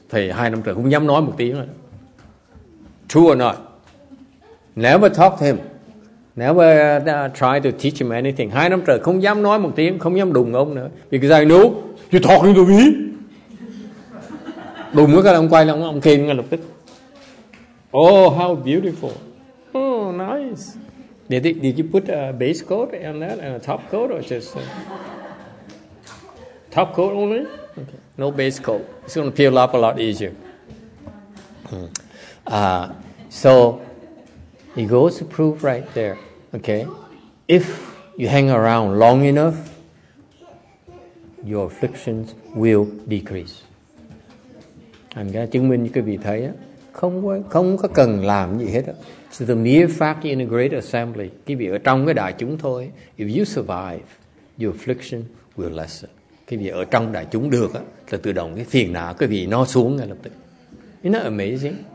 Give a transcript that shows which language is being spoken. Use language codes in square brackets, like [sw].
[vi] Thầy hai năm trời không dám nói một tiếng. [en] True or not? Never talk to him. Never try to teach him anything. [vi] Hai năm trời không dám nói một tiếng, không dám đụng ông nữa. [en] Because I know you're talking to me. [vi] Đụng cái là ông quay lại, ông kêu ngay lập tức. [en] Oh, how beautiful. Oh, nice. Did you put a base coat on that and a top coat or just top coat only? Okay. No base coat. It's going to peel up a lot easier. So he goes to proof right there. Okay. If you hang around long enough, your afflictions will decrease. [vi] Anh đã chứng minh cho quý vị thấy á, không có cần làm gì hết á. [en] So the mere fact in a great assembly, [vi] quý vị ở trong cái đại chúng thôi, [en] if you survive, your affliction will lessen. [vi] Quý vị ở trong đại chúng được á, là tự động cái phiền não quý vị nó xuống ngay lập tức. [en] Isn't that amazing?